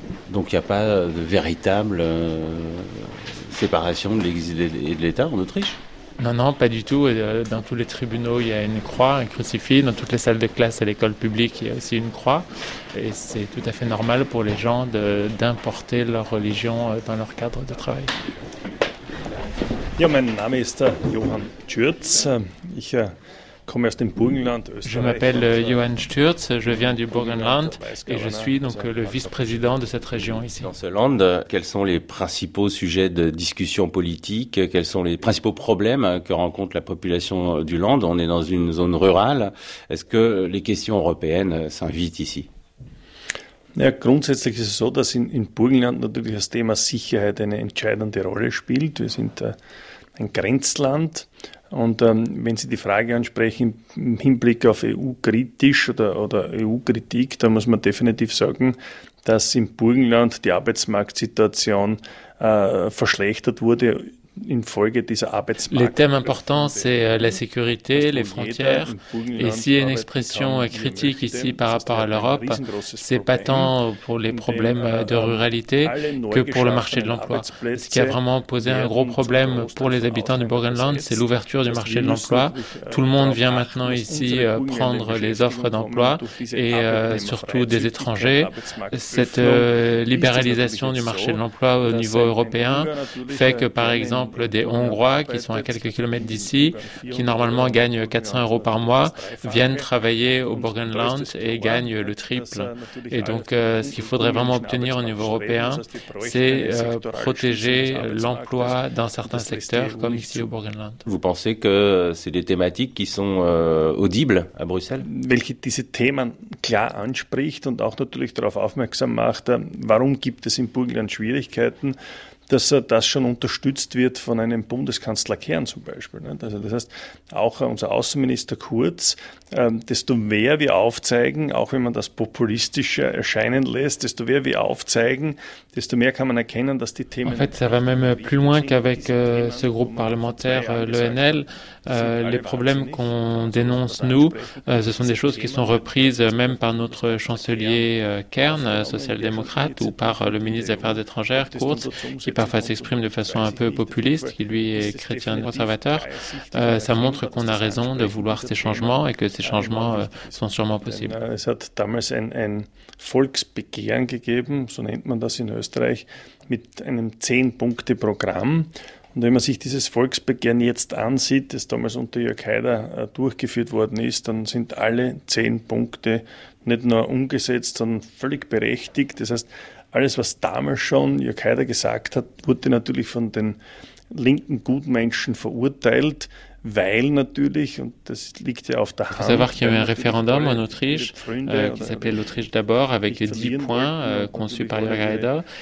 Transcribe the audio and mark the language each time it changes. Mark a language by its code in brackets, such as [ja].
[fr] Donc il n'y a pas de véritable séparation de l'Église et de l'État en Autriche? Non, non, pas du tout. Dans tous les tribunaux, il y a une croix, un crucifix. Dans toutes les salles de classe à l'école publique, il y a aussi une croix. Et c'est tout à fait normal pour les gens d'importer leur religion dans leur cadre de travail. [de] Ja, mein Name ist Johann Stürz. Ich komme aus dem Burgenland, Österreich. [fr] Je m'appelle Johann Stürz, je viens du Burgenland et je suis donc le vice-président de cette région ici. Dans ce land, quels sont les principaux sujets de discussion politique? Quels sont les principaux problèmes que rencontre la population du land? On est dans une zone rurale. Est-ce que les questions européennes s'invitent ici? [de] Ja, grundsätzlich ist es so, dass in Burgenland natürlich das Thema Sicherheit eine entscheidende Rolle spielt. Wir sind ein Grenzland. Und wenn Sie die Frage ansprechen im Hinblick auf EU-kritisch oder EU-Kritik, dann muss man definitiv sagen, dass im Burgenland die Arbeitsmarktsituation verschlechtert wurde infolge dieser Arbeitsmarkt. [fr] Les thèmes importants, c'est la sécurité, les frontières. Et s'il y a une expression critique ici par rapport à l'Europe, c'est pas tant pour les problèmes de ruralité que pour le marché de l'emploi. Ce qui a vraiment posé un gros problème pour les habitants du Burgenland, c'est l'ouverture du marché de l'emploi. Tout le monde vient maintenant ici prendre les offres d'emploi et surtout des étrangers. Cette libéralisation du marché de l'emploi au niveau européen fait que, par exemple, des Hongrois qui sont à quelques kilomètres d'ici, qui normalement gagnent 400 euros par mois, viennent travailler au Burgenland et gagnent le triple. Et donc, ce qu'il faudrait vraiment obtenir au niveau européen, c'est protéger l'emploi dans certains secteurs, comme ici au Burgenland. Vous pensez que c'est des thématiques qui sont audibles à Bruxelles? [de] Welche diese Themen klar anspricht und auch natürlich darauf aufmerksam macht, warum gibt es in Burgenland Schwierigkeiten? dass das schon unterstützt wird von einem Bundeskanzler Kern zum Beispiel. Also das heißt, auch unser Außenminister Kurz, desto mehr wir aufzeigen, auch wenn man das populistischer erscheinen lässt, desto mehr wir aufzeigen, desto mehr kann man erkennen, dass die Themen... [fr] En fait, ça va même plus loin qu'avec ce groupe parlementaire, l'ENL. Les problèmes qu'on dénonce, nous, ce sont des choses qui sont reprises même par notre chancelier Kern, social-démocrate, ou par le ministre des Affaires étrangères, Kurz, qui parfois s'exprime de façon un peu populiste, qui lui est chrétien conservateur. Ça montre qu'on a raison de vouloir ces changements et que ces changements sont sûrement possibles. [de] Es hat damals ein Volksbegehren gegeben, so nennt man das in Österreich, mit einem 10-Punkte-Programm. Und wenn man sich dieses Volksbegehren jetzt ansieht, das damals unter Jörg Haider durchgeführt worden ist, dann sind alle 10 Punkte nicht nur umgesetzt, sondern völlig berechtigt. Das heißt, alles, was damals schon Jörg Haider gesagt hat, wurde natürlich von den linken Gutmenschen verurteilt, weil natürlich, und das liegt ja auf der Hand... [fr] Il faut savoir qu'il y avait un référendum en Autriche, qui s'appelait l'Autriche d'abord, avec 10 points conçus par Jörg Haider.